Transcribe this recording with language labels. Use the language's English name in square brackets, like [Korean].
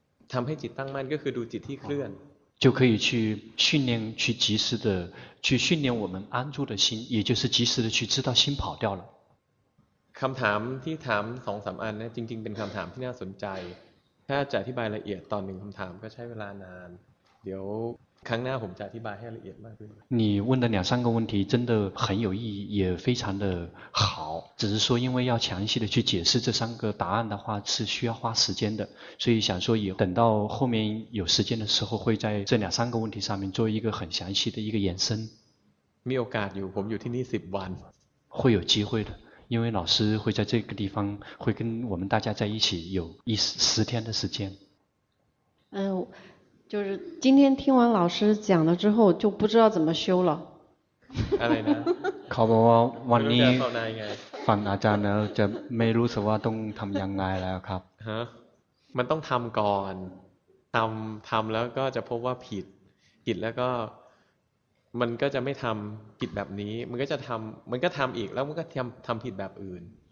[Thai] ทำให้จิตตั้งมั่นก็คือดูจิตที่เคลื่อน [Chinese] 就可以去训练去及时的去训练我们安住的心也就是及时的去知道心跑掉了 [Thai] คำถามที่ถาม 2-3 อันนี้จริงๆเป็นคำถามที่น่าสนใจถ้าจะอธิบายละเอียดตอนหนึ่งคำถามก็ใช้เวลานานเดี๋ยวครั้งหน้าผมจะอธิบายให้ละเอียดมากขึ้น [Chinese] 你问的两三个问题真的很有意义也非常的好只是说因为要详细的去解释这三个答案的话是需要花时间的所以想说以等到后面有时间的时候会在这两三个问题上面做一个很详细的一个延伸 [Thai] มีโอกาสอยู่ผมอยู่ที่นี่10วัน [Chinese] 会有机会的因为老师会在这个地方会跟我们大家在一起有10天的时间就是今天听完老师讲了之后就不知道怎么修了 [Thai] เขาบอกว่าวันนี้ฟังอาจารย์แล้วจะไม่รู้สึกว่าต้องทำยังไงแล้วครับ ฮะมันต้องทำก่อนทำแล้วก็จะพบว่าผิดแล้วก็มันก็จะไม่ทำผิดแบบนี้มันก็จะทำมันก็ทำอีกแล้วมันก็ทำผิดแบบอื่น